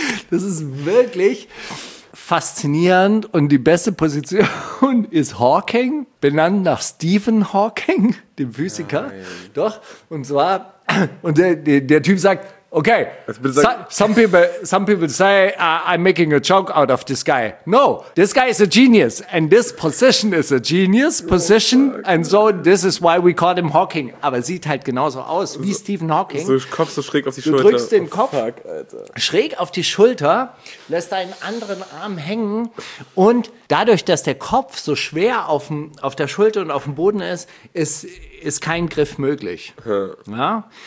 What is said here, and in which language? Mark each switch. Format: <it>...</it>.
<de>Das ist wirklich faszinierend und die beste Position ist Hawking, benannt nach Stephen Hawking, dem Physiker. Nein. Doch, und zwar, und der Typ sagt,</de> <en>Okay, some people say I'm making a joke out of this guy. No, this guy is a genius and this position is a genius position. Oh, and so this is why we call him Hawking.</en> <de>Aber sieht halt genauso aus wie Stephen Hawking. So Kopf so schräg auf die Schulter. Du drückst den Kopf schräg auf die Schulter, lässt deinen anderen Arm hängen und dadurch, dass der Kopf so schwer auf der Schulter und auf dem Boden ist, ist kein Griff möglich. Ja. Ja?</de>